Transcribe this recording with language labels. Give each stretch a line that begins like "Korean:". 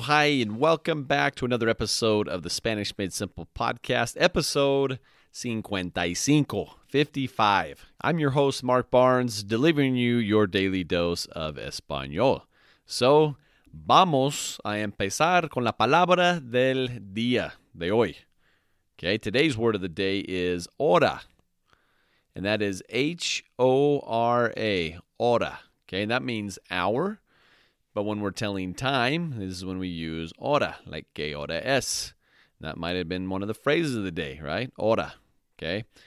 English: Hi, and welcome back to another episode of the Spanish Made Simple podcast, episode 55. I'm your host, Mark Barnes, delivering you your daily dose of español.
Spanish: So, vamos a empezar con la palabra del día de hoy.
English: Okay, today's word of the day is hora, and that is H-O-R-A, hora. Okay, and that means hour. But when we're telling time, this is when we use hora, like
Spanish: que hora es.
English: That might have been one of the phrases of the day, right? Hora, okay?